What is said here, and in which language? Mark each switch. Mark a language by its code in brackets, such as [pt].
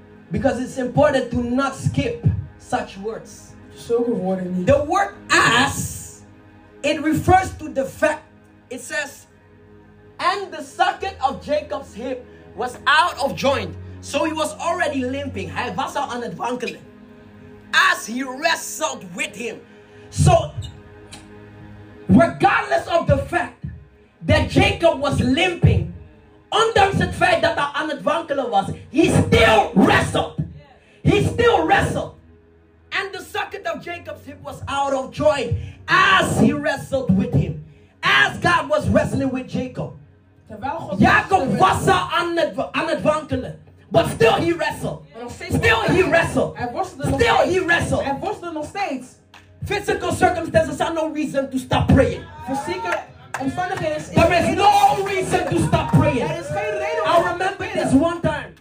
[en] Because it's important to not skip such words. So good word in the word as, it refers to the fact, it says, and the socket of Jacob's hip was out of joint. So he was already limping. [nl] Hij was al aan het wankelen. [en] As he wrestled with him. So, regardless of the fact that Jacob was limping, [nl] ondanks het feit dat hij aan het wankelen was, [en] he still wrestled. He still wrestled. And the socket of Jacob's hip was out of joint as he wrestled with him. As God was wrestling with Jacob. [nl] Jacob was al aan het wankelen. [en] But still he wrestled. Still he wrestled. Still he wrestled. [nl] Hij worstelde nog steeds. [en] Physical circumstances are no reason to stop praying. [nl] Fysieke omstandigheden is [en] there is no reason to stop praying. [nl] Er is geen reden [en] om. I remember this one time.